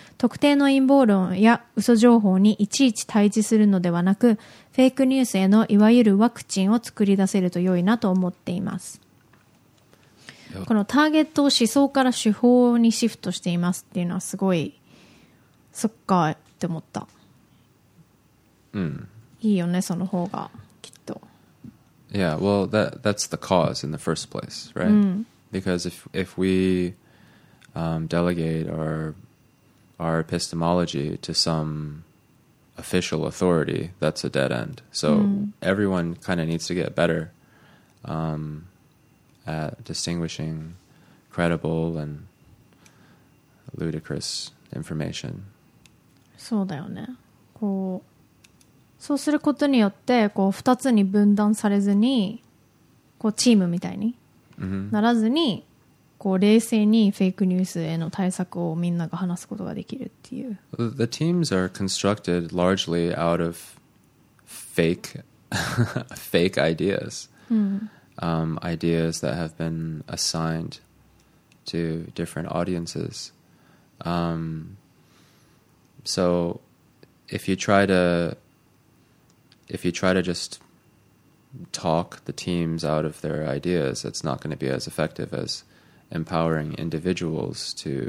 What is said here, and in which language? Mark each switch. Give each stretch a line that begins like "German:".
Japanese: 特定の陰謀論や嘘情報にいちいち対峙するのではなく、フェイクニュースへのいわゆるワクチンを作り出せると良いなと思っています。このターゲットを思想から手法にシフトしていますっていうのはすごい、そっかって思った。うん、いいよねその方がきっと。
English: Yeah, well that's the cause in the first place, right?、うん、 Because if we、delegate our epistemology to some official authority, that's a dead end. So、うん、everyone kind of needs to get better、at distinguishing credible and ludicrous information.
Japanese: そうだよね。こう、そうすることによって、こう2つに分断されずに、こうチームみたいにならずに、こう冷静にフェイクニュースへの対策をみんなが話すことができるっていう。
English: The teams are constructed largely out of fake, fake ideas. うん。 Ideas that have been assigned to different audiences. So if you try to just talk the teams out of their ideas, it's not going to be as effective as empowering individuals to、